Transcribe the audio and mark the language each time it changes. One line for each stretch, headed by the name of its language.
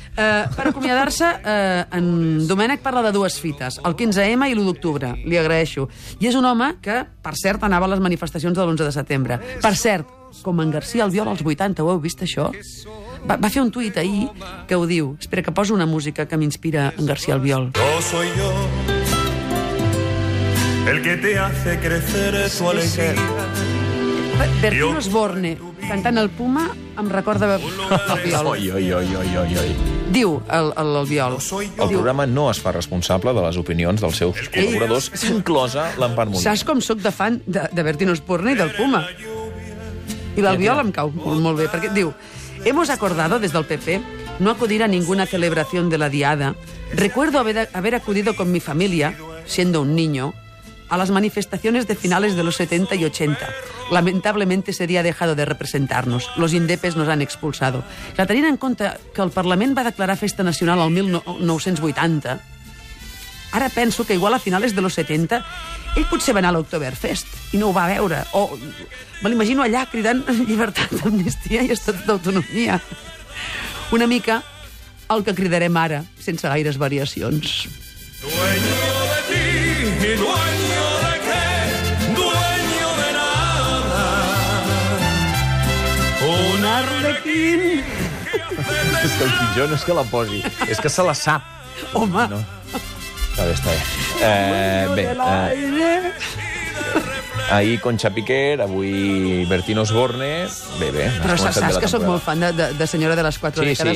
Catalan: Per acomiadar-se, en Domènech parla de dues fites, el 15M i l'1 d'octubre. Li agraeixo. I és un home que, per cert, anava a les manifestacions de l'11 de setembre. Per cert, com en García Albiol als 80, ho heu vist això? Va fer un tuit ahir que ho diu. Espera, que poso una música que m'inspira en García Albiol.
Spanish: Yo soy yo el que te hace crecer tu alegría.
Catalan: Bertín Osborne, cantant el Puma, em recorda... Oi. Diu el Biol. El programa no es fa responsable de les opinions dels seus col·laboradors, inclosa l'Empar Molina. Saps com sóc de fan de Bertino Osborne i del Puma? I l'Albiol em cau molt bé, perquè diu...
Spanish: Hemos acordado desde el PP no acudir a ninguna celebración de la Diada. Recuerdo haber acudido con mi familia, siendo un niño, a las manifestaciones de finales de los 70 y 80. Lamentablemente ese día ha dejado de representarnos. Los indepes nos han expulsado.
Catalan: La tenint en compte que el Parlament va declarar festa nacional el 1980, ara penso que igual
Spanish: a finales de los 70
Catalan: ell potser va anar a l'Oktoberfest i no ho va veure. O me l'imagino allà cridant llibertat d'amnistia i estat d'autonomia. Una mica el que cridarem ara, sense gaires variacions.
Spanish: Dueño de ti y dueño de qué, dueño de nada. Un arlequín.
Catalan: És que el pitjor no és que la posi, és que se la sap. Home... No. Està bé, està bé. Ahir Concha Piquer, avui Bertino Osborne... Bé, bé. Però saps que sóc molt fan de Senyora de les Quatre Dècades,